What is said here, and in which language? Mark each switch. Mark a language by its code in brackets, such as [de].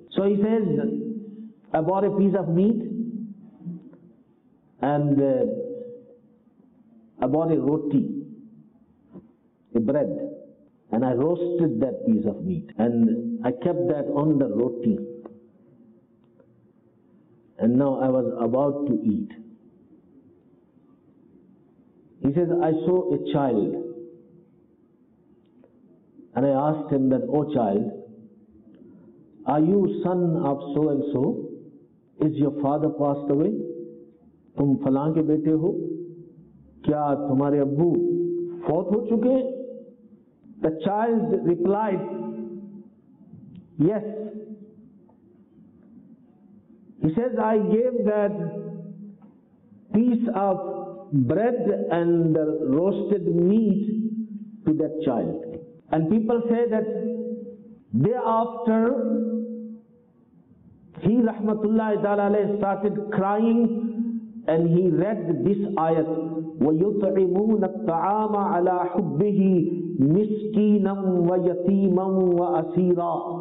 [en] So he says, I bought a piece of meat, and I bought a roti, a bread, and I roasted that piece of meat, and I kept that on the roti, and now I was about to eat. He says, I saw a child, and I asked him that, oh child, are you son of so and so? Is your father passed away? [ur] تم فلاں کے بیٹے ہو کیا, تمہارے ابو فوت ہو چکے؟ [en] The child replied, yes. He says, I gave that piece of bread and the roasted meat to that child. And people say that thereafter he rahmatullahi ta'ala alayhi started crying. And he read this ayat, [ar] وَيُطْعِمُونَ الطَّعَامَ عَلَىٰ حُبِّهِ مِسْكِينًا وَيَتِيمًا وَأَسِيرًا.